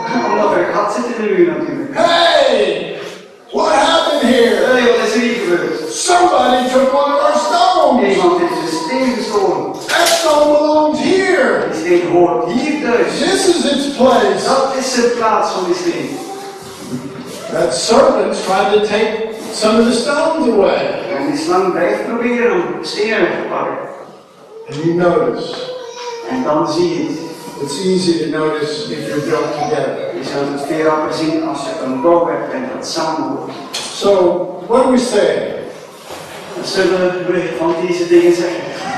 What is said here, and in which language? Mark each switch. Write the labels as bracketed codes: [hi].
[nl] Omdat er een gat zit in de muur natuurlijk. [en] Hey! What happened here? [nl] Hey, wat is er hier gebeurd? [en] Somebody took one of our stones! [nl] Iemand heeft een steen gestolen. woord hier dus. [en] This is its place. [nl] Dat is de plaats van die steen. [en] That serpent tried to take some of the stones away. [nl] En die slang blijft proberen om stenen te pakken. [en] And you notice. [nl] En dan zie je het. [en] It's easy to notice if you're built together. [nl] Je zou het veel harder zien als je een boog hebt en dat samen hoort. [en] So, what do we say? [nl] Wat zullen we van deze dingen zeggen?